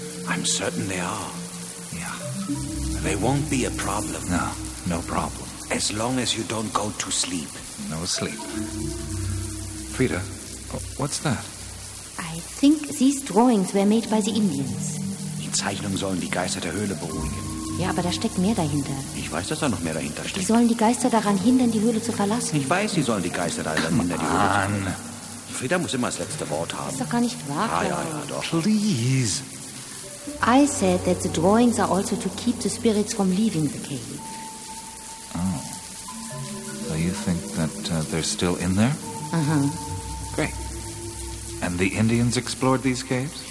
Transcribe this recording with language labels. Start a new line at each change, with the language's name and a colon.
English: I'm certain they are. Yeah. They won't be a problem. No, no problem. As long as you don't go to sleep. No sleep. Frida, what's that? I think these drawings were made by the Indians.
German: Zeichnungen sollen die Geister der Höhle beruhigen. Ja, aber da steckt mehr dahinter. Ich weiß, dass da noch mehr dahinter steckt. Die sollen die Geister daran hindern, die Höhle zu verlassen. Ich weiß, sie sollen die Geister daran hindern, die Höhle zu verlassen. Frida muss immer das letzte Wort haben. Ist doch gar nicht wahr. Ah, ja, ja, doch.
English: Please. I said that the drawings are also to keep the spirits from leaving the cave. Oh. So you think that they're still in there? Uh-huh. Great. And the Indians explored these caves?